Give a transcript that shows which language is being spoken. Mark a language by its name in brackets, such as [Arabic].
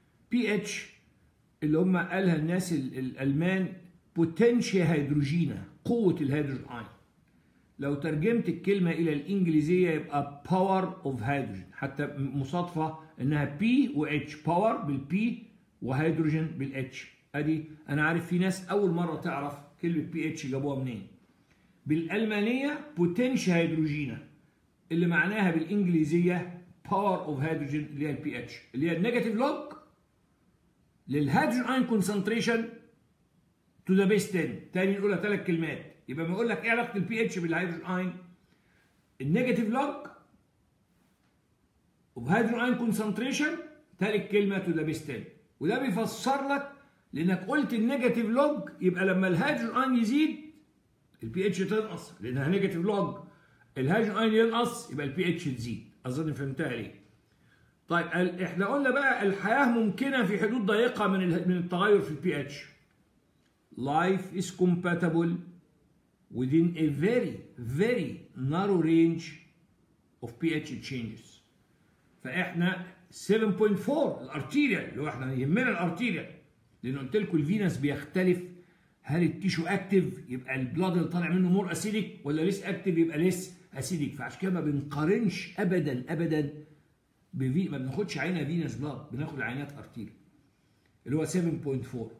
[Arabic] بي اتش اللي هم قالها الناس الألمان بوتنشيا هيدروجينا, قوة الهيدروجين آين. لو ترجمت الكلمة إلى الإنجليزية يبقى باور أوف هيدروجين, حتى مصادفة إنها بي واتش, باور بالبي وهيدروجين بالاتش. أدي أنا عارف في ناس أول مرة تعرف كلمة بي اتش جابوها منين. [English] بالألمانية potential hydrogena [Arabic] اللي معناها بالإنجليزية [English] power of hydrogen اللي هي pH اللي هي negative log [Arabic] للهيدروجين آين [English] concentration to the base 10. [Arabic] تاني نقولها ثلاث كلمات, يبقى ما أقولك إيه علاقة pH بالهيدروجين آين, [English] negative log of hydrogen [Arabic] آين concentration ثالث كلمة [English] to the base 10. [Arabic] وده بيفسر لك لأنك قلت negative log يبقى لما الهيدروجين آين يزيد ال pH تنقص لانها نيجاتيف لوج, الهيدروجين آين ينقص يبقى ال pH تزيد. اظن فهمتها ليه. طيب احنا قلنا بقى الحياه ممكنه في حدود ضيقه من التغير في ال pH. [English] Life is compatible within a very very narrow range of pH changes. [Arabic] فاحنا 7.4 الارتيريال اللي احنا يهمنا الارتيريال, لان قلت لكم الفينس بيختلف. هل التيشو اكتف يبقى البلاد اللي طالع منه مور اسيديك, ولا ليس اكتف يبقى ليس اسيديك. فعشان كده ما بنقارنش ابدا ابدا بفي, ما بناخدش عينه فينس بلاد, بناخد عينات ارتيري اللي هو 7.4.